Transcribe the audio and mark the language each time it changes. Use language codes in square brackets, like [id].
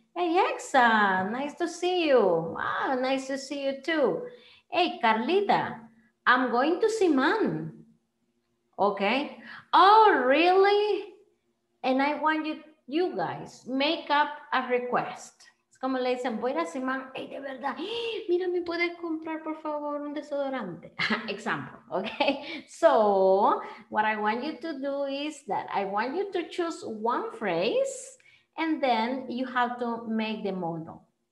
[en] Hey, Exa, nice to see you. Ah, nice to see you too. Hey, Carlita, I'm going to Siman. Okay. Oh, really? And I want you guys make up a request. [es] Es como le dicen, voy a Siman. Hey, de verdad. Mira, ¿me puedes comprar, por favor, un desodorante? [en] Example, okay? So, what I want you to do is that I want you to choose one phrase and then you have to make the model.